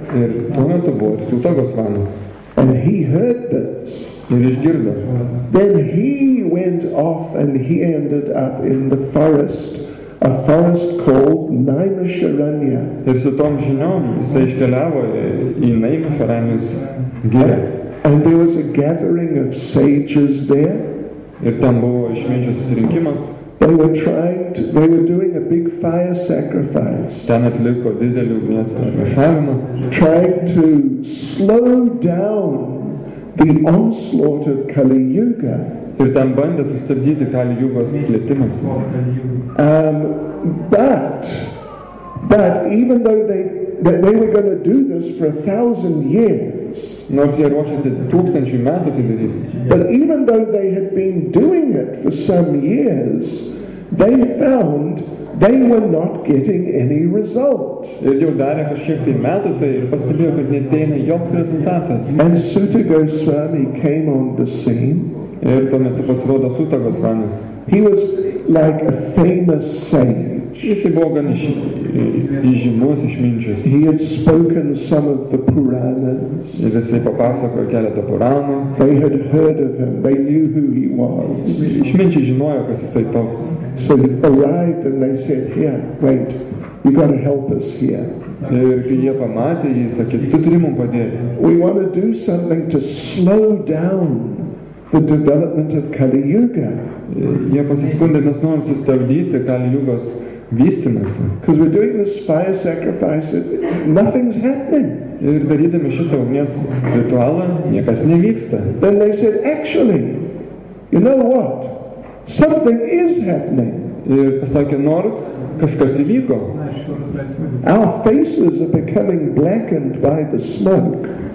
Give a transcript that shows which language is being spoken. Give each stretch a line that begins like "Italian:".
Lithuanian: Ir tuo metu buvo Suta Goswami.
English: And he heard this.
Lithuanian: Ir išgirdo.
English: Then he went off and he ended up in the forest, a forest called Naimasharanya.
Lithuanian: Ir su tom žiniom jisai iškeliavo į Naimasharanyos girią.
English: And there was a gathering of sages there.
Lithuanian: Ir ten buvo išminčių susirinkimas.
English: They were trying to, they were doing a big fire sacrifice.
Lithuanian: Ten atliko didelį ugnies mišavimą.
English: Trying to slow down the onslaught of Kali Yuga.
Lithuanian: Ir ten bandė sustabdyti Kali Yugos plėtimąsi.
English: But even though they were going to do this for 1,000 years.
Lithuanian: Nors jie ruošėsi 1,000 metų tai darysi.
English: But even though they had been doing it for some years, they found they were not getting any result.
Lithuanian: Ir jau darė kažkiek tai metų tai ir pastebėjo, kad neteina joks rezultatas.
English: And Suta Goswami came on the scene.
Lithuanian: Ir tuo metu pasirodo Suta Goswamis.
English: He was like a famous sage.
Lithuanian: Jisai buvo gan įžymus išminčius.
English: He had spoken some of the Puranas.
Lithuanian: Ir jisai papasakojo keletą Puranų.
English: They had heard of him. They knew who he was.
Lithuanian: Išminčiai žinojo, kas jisai toks.
English: So he arrived and they said, here, wait, you got to help us here.
Lithuanian: Ir kai jie pamatė, jis sakė, tu turi mum padėti.
English: We want to do something to slow down the development of Kali Yuga.
Lithuanian: Jie pasiskundė, mes norim sustabdyti Kali Yugos vystymasi.
English: Because we're doing this fire sacrifice, nothing's happening.
Lithuanian: Ir darydami šitą ugnies ritualą, niekas nevyksta.
English: Then they said, actually, you know what? Something is happening.
Lithuanian: Ir pasakė, nors kažkas įvyko.
English: Our faces are becoming blackened by the smoke.